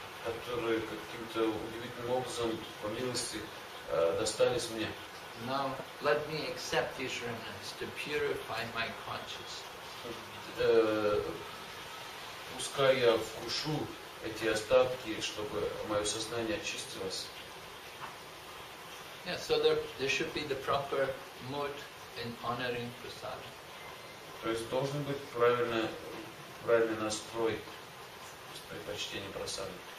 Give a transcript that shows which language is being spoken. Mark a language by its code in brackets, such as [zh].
[ru] Которые каким-то удивительным образом по милости достались мне. [en] Now let me accept these remnants to purify my consciousness. [ru] Пускай я вкушу эти остатки, чтобы мое сознание очистилось. [en] Yeah, so there should be the proper mood in honoring prasada. [ru] То есть должен быть правильный настрой при почтении прасады.